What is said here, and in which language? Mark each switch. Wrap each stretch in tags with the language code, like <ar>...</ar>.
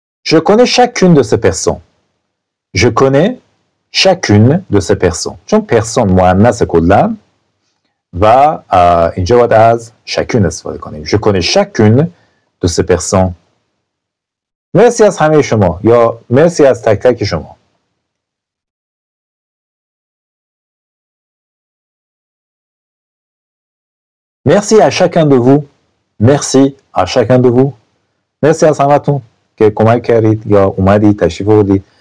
<fr>Je connais chacune de ces personnes. Je connais chacune de ces personnes.</fr> <fa>چون پرسون مؤنث کلن و اینجا باید از شکون استفاده کنیم.</fa> <fr>Je connais chacune de ces personnes.</fr> <fa>مرسی از همه شما یا مرسی از تک تک شما.</fa> <fr>مرسی à chacun de vous. مرسی à chacun de vous.</fr> <fa>مرسی از همه تون که کمک کردید یا اومدید تشریف آوردید.</fa>